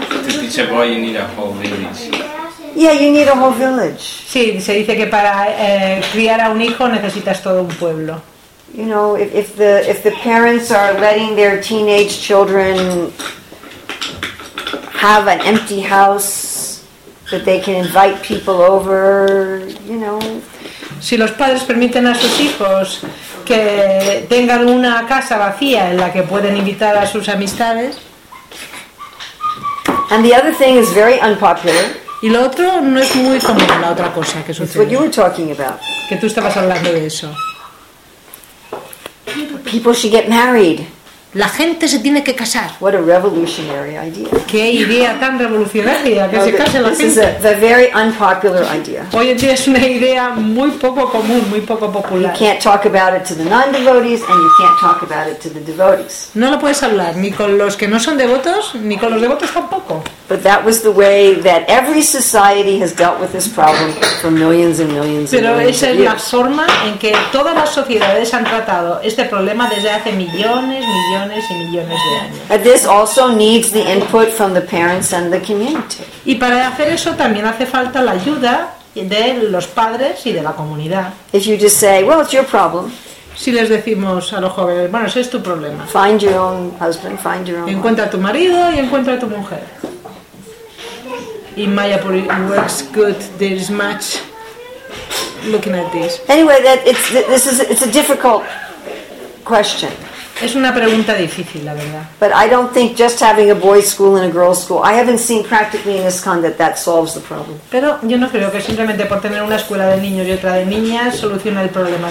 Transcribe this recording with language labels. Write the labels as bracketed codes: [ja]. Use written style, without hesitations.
[en] To teach a boy, you need a whole village. Yeah, you need a whole village. [es] Sí, se dice que para criar a un hijo necesitas todo un pueblo. [en] You know, if the parents are letting their teenage children have an empty house that they can invite people over, you know. [es] Si los padres permiten a sus hijos que tengan una casa vacía en la que pueden invitar a sus amistades. [en] And the other thing is very unpopular. [es] Y lo otro no es muy común, la otra cosa que sucede. [en] It's what you were talking about. [es] Que tú estabas hablando de eso. [en] People should get married. [es] La gente se tiene que casar. [en] What a revolutionary idea. [es] Qué idea tan revolucionaria, que se case la gente. [en] This is a very unpopular idea. [es] Hoy en día es una idea muy poco común, muy poco popular. [en] You can't talk about it to the non-devotees and you can't talk about it to the devotees. [es] No lo puedes hablar ni con los que no son devotos ni con los devotos tampoco. [en] But that was the way that every society has dealt with this problem for millions and millions and millions of years. [es] Pero esa es la forma en que todas las sociedades han tratado este problema desde hace millones, millones. [en] This also needs the input from the parents and the community. [es] Y para hacer eso también hace falta la ayuda de los padres y de la comunidad. [en] If you just say, well, it's your problem. [es] Si les decimos a los jóvenes, bueno, ese es tu problema. [en] Find your own husband, find your own. [es] Encuentra a tu marido y encuentra a tu mujer. [en] in Mayapur it works good. There is much looking at this. Anyway, it's a difficult question. [es] Es una pregunta difícil, la verdad. [en] But I don't think just having a boys' school and a girls' school, I haven't seen practically in Iskcon that solves the problem. [es] Pero yo no creo que simplemente por tener una escuela de niños y otra de niñas solucione el problema.